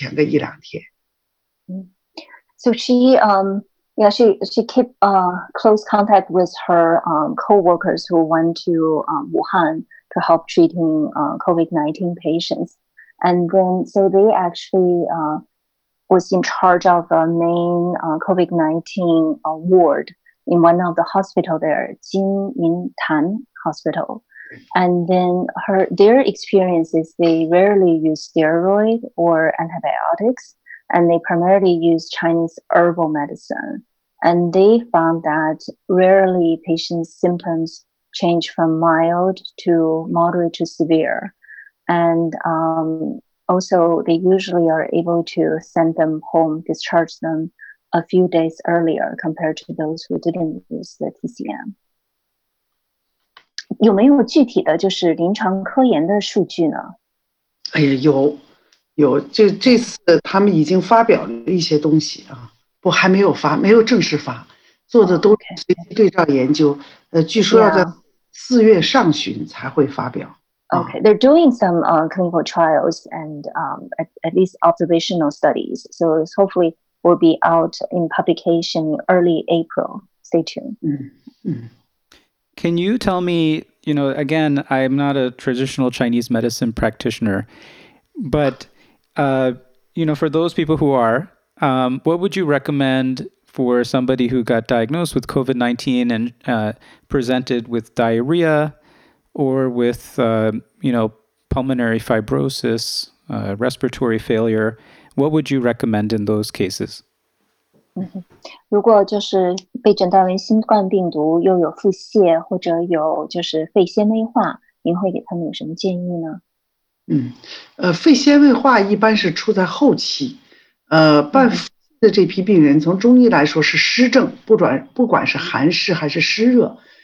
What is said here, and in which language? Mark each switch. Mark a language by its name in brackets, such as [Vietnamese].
[Chinese] 就发现中药呢，减症、退烧，以及新冠肺炎转阴，就是不从轻症转重症，特别明显。所以整个中医管理的这个团队的这个医院的病人，就往重症转的非常少，而且出院的时间都能够提前个一两天。 [English] So she keep close contact with her co-workers who went to Wuhan to help treating COVID-19 patients. And then, so they actually was in charge of a main COVID-19 ward in one of the hospital there, Jin Min Tan Hospital. And then their experience is they rarely use steroid or antibiotics, and they primarily use Chinese herbal medicine. And they found that rarely patients' symptoms change from mild to moderate to severe. And also they usually are able to send them home, discharge them a few days earlier compared to those who didn't use the TCM. [Chinese] 有没有具体的就是临床科研的数据呢? 哎呀，有。有，这次他们已经发表了一些东西啊，不，还没有发，没有正式发，做的都是对照研究，据说要在四月上旬才会发表。 [English] Okay, they're doing some clinical trials and at least observational studies. So it's hopefully will be out in publication early April. Stay tuned. Mm-hmm. Can you tell me, you know, again, I'm not a traditional Chinese medicine practitioner, but, you know, for those people who are, what would you recommend for somebody who got diagnosed with COVID-19 and presented with diarrhea? Or with, you know, pulmonary fibrosis, respiratory failure, what would you recommend in those cases? [Chinese] 如果就是被诊断为新冠病毒，又有腹泻，或者有就是肺纤维化，您会给他们有什么建议呢？肺纤维化一般是出在后期，伴腹泻的这批病人，从中医来说是湿症，不管是寒湿还是湿热。